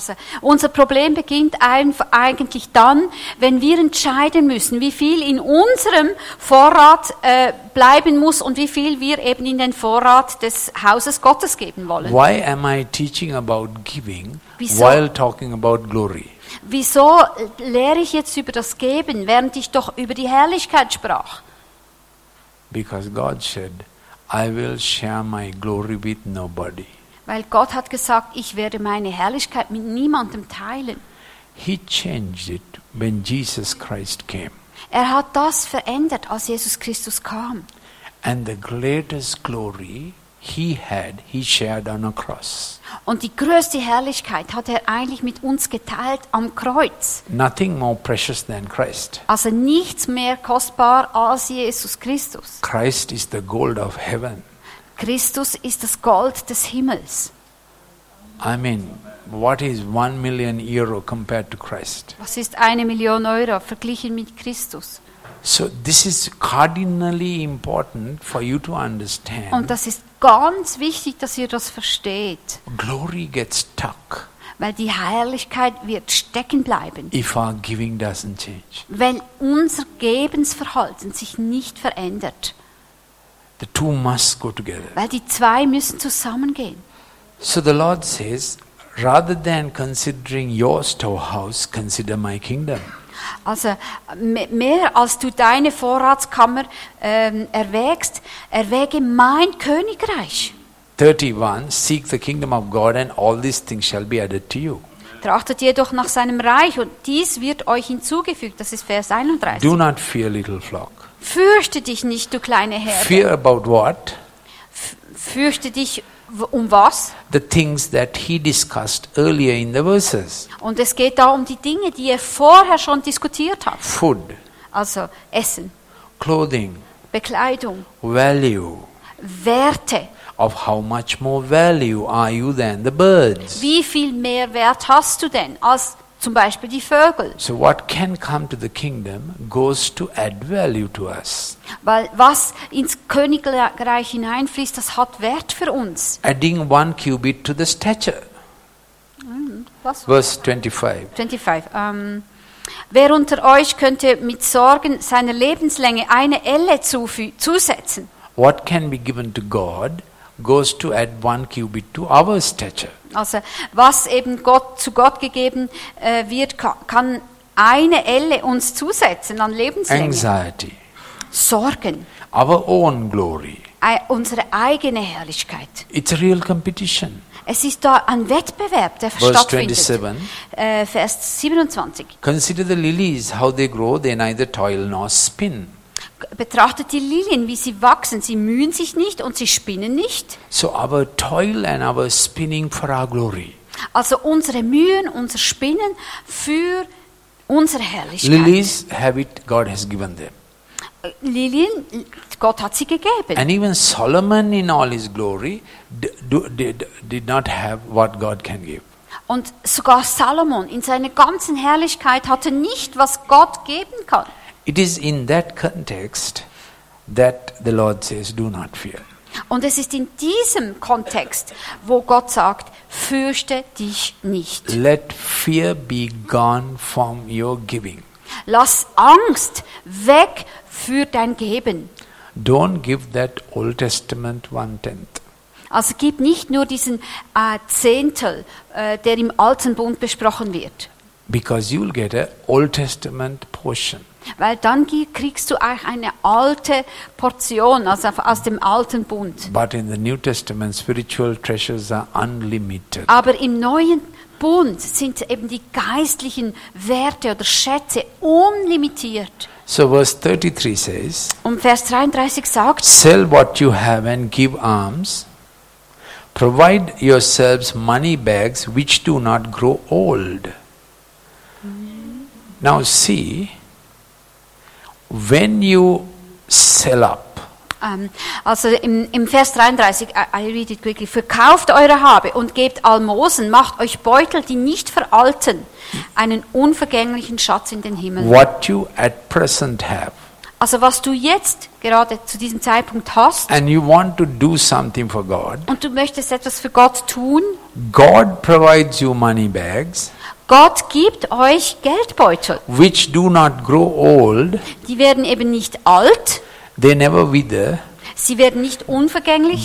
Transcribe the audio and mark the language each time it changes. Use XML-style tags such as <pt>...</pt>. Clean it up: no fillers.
<de>Also unser Problem beginnt eigentlich dann, wenn wir entscheiden müssen, wie viel in unserem Vorrat bleiben muss und wie viel wir eben in den Vorrat des Hauses Gottes geben wollen.</de> <en>Why am I teaching about giving while talking about glory?</en> <de>Wieso lehre ich jetzt über das Geben, während ich doch über die Herrlichkeit sprach?</de> <en>Because God said, I will share my glory with nobody.</en> <de>Weil Gott hat gesagt, ich werde meine Herrlichkeit mit niemandem teilen.</de> <en>He changed it when Jesus Christ came.</en> <de>Er hat das verändert, als Jesus Christus kam.</de> <en>And the greatest glory he had, he shared on a cross.</en> <de>Und die größte Herrlichkeit hat er eigentlich mit uns geteilt am Kreuz.</de> <en>Nothing more precious than Christ.</en> <de>Also nichts mehr kostbar als Jesus Christus.</de> <en>Christ is the gold of heaven.</en> <de>Christus ist das Gold des Himmels.</de> <en>I mean, what is 1 million euro compared to Christ?</en> <de>Was ist 1 Million Euro verglichen mit Christus?</de> <en>So this is cardinally important for you to understand.</en> <de>Und das ist ganz wichtig, dass ihr das versteht.</de> <en>Glory gets stuck.</en> <de>Weil die Herrlichkeit wird stecken bleiben.</de> <en>If our giving doesn't change.</en> <de>Wenn unser Gebensverhalten sich nicht verändert.</de> <en>The two must go together.</en> <de>Weil die zwei müssen zusammengehen.</de> <en>So the Lord says, rather than considering your storehouse, consider my kingdom.</en> <de>Also mehr als du deine Vorratskammer erwägst, erwäge mein Königreich.</de> <en>31, seek the kingdom of God and all these things shall be added to you.</en> <de>Trachtet jedoch nach seinem Reich und dies wird euch hinzugefügt. Das ist Vers 31.</de> <en>Do not fear, little flock.</en> <de>Fürchte dich nicht, du kleine Herde.</de> <en>Fear about what?</en> <de>Fürchte dich um was?</de> <en>The things that he discussed earlier in the verses.</en> <de>Und es geht da um die Dinge, die er vorher schon diskutiert hat.</de> <en>Food.</en> <de>Also Essen.</de> <en>Clothing.</en> <de>Bekleidung.</de> <en>Value.</en> <de>Werte.</de> <en>Of how much more value are you than the birds?</en> <de>Wie viel mehr Wert hast du denn als zum Beispiel die Vögel?</de> <en>So what can come to the kingdom goes to add value to us.</en> <de>Weil was ins Königreich hineinfließt, das hat Wert für uns.</de> <en>Adding one cubit to the stature.</en> <de>Was?</de> <en>Verse 25.</en> <de>Wer unter euch könnte mit Sorgen seiner Lebenslänge eine Elle zusetzen?</de> <en>What can be given to God goes to add one cubit to our stature.</en> <de>Also, was eben Gott zu Gott gegeben wird, kann eine Elle uns zusetzen an Lebenslänge.</de> <en>Anxiety.</en> <de>Sorgen.</de> <en>Our own glory.</en> <de>Unsere eigene Herrlichkeit.</de> <en>It's a real competition.</en> <de>Es ist da ein Wettbewerb, der</de> <en>Verse</en> <de>stattfindet. Vers 27.</de> <en>Consider the lilies, how they grow, they neither toil nor spin.</en> <de>Betrachtet die Lilien, wie sie wachsen. Sie mühen sich nicht und sie spinnen nicht.</de> <en>So our toil and our spinning for our glory.</en> <de>Also unsere Mühen, unser Spinnen für unsere Herrlichkeit.</de> <en>Lilies have it, God has given them.</en> <de>Lilien, Gott hat sie gegeben.</de> <en>And even Solomon in all his glory did not have what God can give.</en> <de>Und sogar Salomon in seiner ganzen Herrlichkeit hatte nicht, was Gott geben kann.</de> <en>It is in that context that the Lord says, do not fear.</en> <de>Und es ist in diesem Kontext, wo Gott sagt, fürchte dich nicht.</de> <en>Let fear be gone from your giving.</en> <de>Lass Angst weg für dein Geben.</de> <en>Don't give that Old Testament one tenth.</en> <de>Also gib nicht nur diesen Zehntel, der im Alten Bund besprochen wird.</de> <en>Because you'll get an Old Testament portion.</en> <de>Weil dann kriegst du auch eine alte Portion, also aus dem alten Bund.</de> <en>But in the New Testament, spiritual treasures are unlimited.</en> <de>Aber im neuen Bund sind eben die geistlichen Werte oder Schätze unlimitiert.</de> <en>So verse 33 says.</en> <de>Und Vers 33 sagt:</de> <en>Sell what you have and give alms. Provide yourselves money bags which do not grow old. Now see. When you sell up.</en> <de>Also im Vers 33,</de> <en>I read it quickly.</en> <de>Verkauft eure Habe und gebt Almosen, macht euch Beutel, die nicht veralten, einen unvergänglichen Schatz in den Himmel.</de> <en>What you at present have.</en> <de>Also was du jetzt gerade zu diesem Zeitpunkt hast.</de> <en>And you want to do something for God.</en> <de>Und du möchtest etwas für Gott tun.</de> <en>God provides you money bags.</en> <de>Gott gibt euch Geldbeutel.</de> <en>Which do not grow old.</en> <de>Die werden eben nicht alt.</de> <en>They never wither.</en> <de>Sie werden nicht unvergänglich.</de>